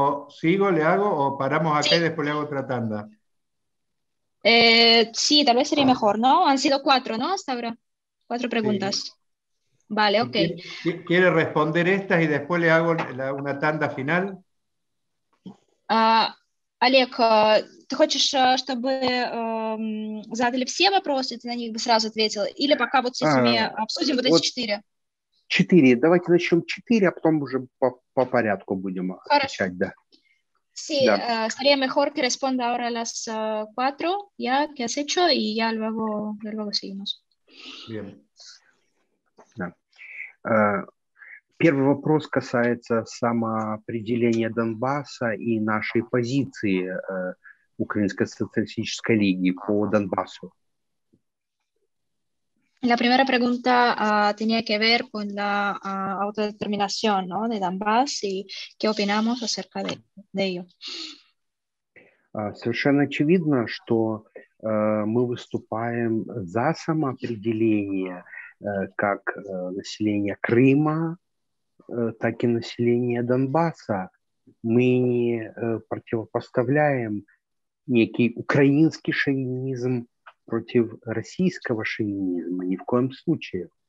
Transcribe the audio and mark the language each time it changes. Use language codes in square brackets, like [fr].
[es] ¿Sigo, le hago o paramos acá sí. y después le hago otra tanda? Sí, tal vez sería mejor, ¿no? Han sido cuatro, ¿no? Hasta ahora. Cuatro preguntas. Sí. Vale, ok. ¿Quiere responder estas y después le hago una tanda final? [ru] Олег, ты хочешь, чтобы задали все вопросы, ты на них бы сразу ответил, или пока вот с этими обсудим вот эти четыре? Четыре, давайте начнем четыре, а потом уже по порядку будем отвечать, да. [es] Sí, sería mejor que responda ahora las cuatro, ya que has hecho, y ya luego seguimos. Bien. [ru] Да. Первый вопрос касается самоопределения Донбасса и нашей позиции Украинской социалистической лиги по Донбассу. [es] La primera pregunta tenía que ver con la autodeterminación, ¿no? de Донбасс y qué opinamos acerca de ello. [ru] Совершенно очевидно, что мы выступаем за самоопределение как население Крыма, так и население Донбасса. Мы не противопоставляем некий украинский шовинизм против российского шовинизма, ни в коем случае.